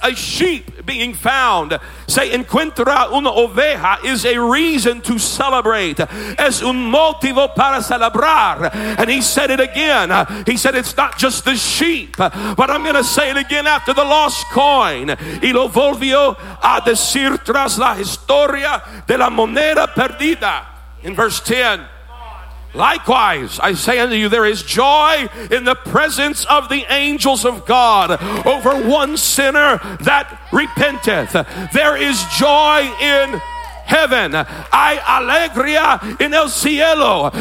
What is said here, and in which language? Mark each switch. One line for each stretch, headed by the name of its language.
English: A sheep being found, say,
Spanish: encuentra una oveja,
English: is a reason to celebrate.
Spanish: Es un motivo para celebrar.
English: And he said it again. He said, it's not just the sheep, but I'm going to say it again after the lost coin.
Spanish: Y lo volvió a decir tras la historia de la moneda perdida.
English: In verse 10. Likewise, I say unto you, there is joy in the presence of the angels of God over one sinner that repenteth. There is joy in heaven.
Spanish: Hay alegría en el cielo.